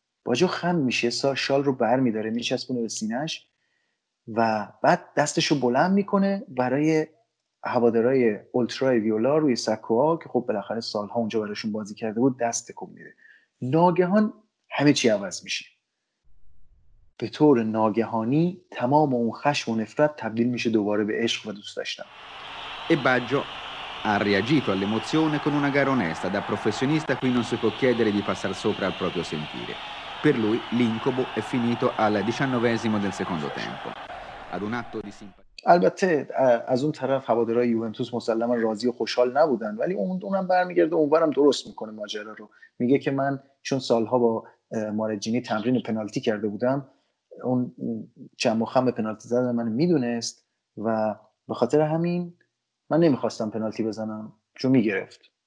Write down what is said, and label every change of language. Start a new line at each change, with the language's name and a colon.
Persian: باجو خم میشه، شال رو برمی‌داره، میچسبونه به سینه‌اش و بعد دستشو بلند میکنه برای هوادارهای اولترای ویولا روی سکوها که خب بالاخره سالها اونجا براشون بازی کرده بود، دست تکون میده. ناگهان همه چی عوض میشه. به طور ناگهانی تمام اون خشم و نفرت تبدیل میشه دوباره به عشق و دوست داشتن.
Italian: E Baggio ha reagito all'emozione con una gara onesta da professionista cui non si può chiedere di passar sopra al proprio sentire. Per lui l'incubo è finito al 19° del secondo tempo. Ad un atto di simpatia.
Persian: البته از اون طرف هوادارهای یوونتوس مسلما راضی و خوشحال نبودن، ولی اونم برمیگرده اونورم درست میکنه ماجرا رو. میگه که من چون سالها با مارجینی تمرین پنالتی کرده بودم، اون چم و خم پنالتی زدن من میدونست و به خاطر همین من نمیخواستم پنالتی بزنم چون میگرفت.